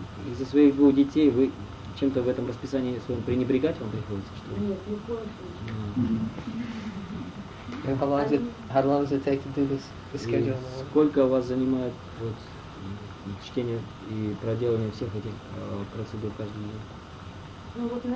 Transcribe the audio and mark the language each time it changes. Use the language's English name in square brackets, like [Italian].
[Russian] Из-за своих двух детей вы чем-то в этом расписании своем пренебрегать вам приходится, что ли? Нет, никакого. [English] How long does it take to do this schedule? [Russian] Сколько вас занимает вот чтение и проделывание всех этих процедур каждый день?